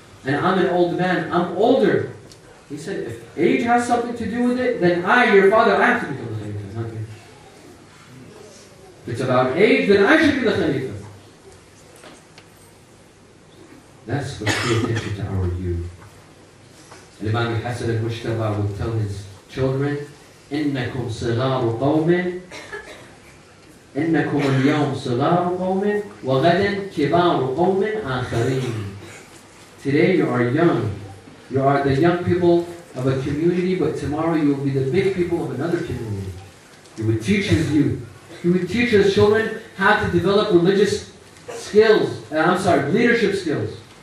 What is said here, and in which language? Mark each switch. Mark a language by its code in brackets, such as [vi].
[en] And I'm an old man. I'm older. He said, if age has something to do with it, then I, your father, I have to become the Khalifa. If it's about age, then I should be the Khalifa. That's what's pay attention to our youth. Imam Hassan al-Mushtaba will tell his children, [ar] إِنَّكُمْ صِغَارُ قَوْمٍ إِنَّكُمْ الْيَوْمْ صِغَارُ قَوْمٍ وَغَدًا كِبَارُ قَوْمٍ آخَرِينَ. [en] Today you are young. You are the young people of a community, but tomorrow you will be the big people of another community. He would teach his youth. He would teach his children how to develop religious skills. Leadership skills.